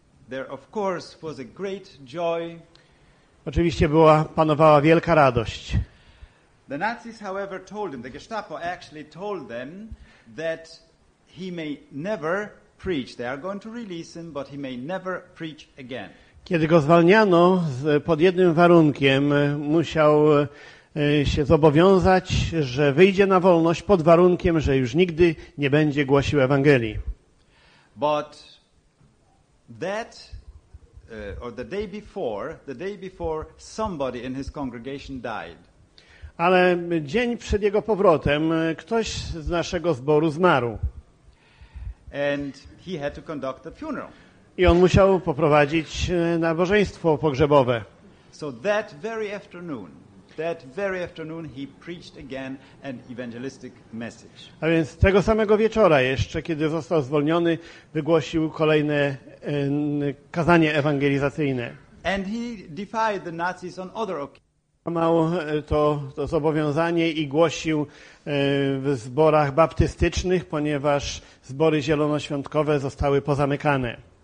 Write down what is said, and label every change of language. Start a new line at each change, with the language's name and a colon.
English: there of course was a great joy.
Polish: Oczywiście była, panowała wielka radość.
English: The Nazis, however, told him, the Gestapo actually told them that he may never preach. They are going to release him, but he may never preach again.
Polish: Kiedy go zwalniano, pod jednym warunkiem, musiał się zobowiązać, że wyjdzie na wolność pod warunkiem, że już nigdy nie będzie głosił Ewangelii.
English: But that, or the day before, somebody in his congregation died.
Polish: Ale dzień przed jego powrotem ktoś z naszego zboru zmarł.
English: And he had to conduct the funeral.
Polish: I on musiał poprowadzić nabożeństwo pogrzebowe.
English: So that very afternoon, That very afternoon he preached again an evangelistic message.
Polish: A więc tego samego wieczora jeszcze, kiedy został zwolniony, wygłosił kolejne kazanie ewangelizacyjne.
English: And he defied the Nazis on other occasions.
Polish: Miał to zobowiązanie i głosił w zborach baptystycznych, ponieważ zbory zielonoświątkowe zostały pozamykane.